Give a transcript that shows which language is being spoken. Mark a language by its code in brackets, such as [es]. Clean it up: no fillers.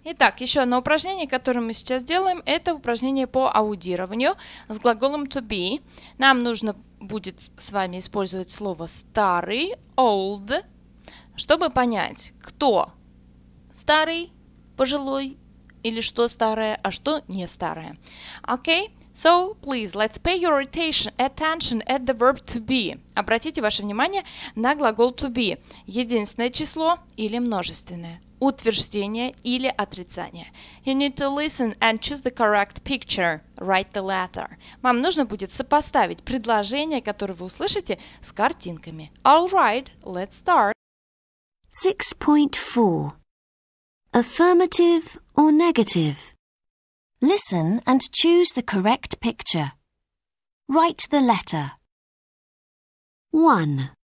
[ru] Итак, еще одно упражнение, которое мы сейчас делаем, это упражнение по аудированию с глаголом to be. Нам нужно будет с вами использовать слово старый, old, чтобы понять, кто старый, пожилой, или что старое, а что не старое. Окей? [en] So, please, let's pay your attention at the verb to be. [ru] Обратите ваше внимание на глагол to be. Единственное число или множественное. Утверждение или отрицание. [en] You need to listen and choose the correct picture. Write the letter. [ru] Вам нужно будет сопоставить предложение, которое вы услышите, с картинками. [en] All right, let's start. 6.4. Affirmative or negative? Listen and choose the correct picture. Write the letter. 1.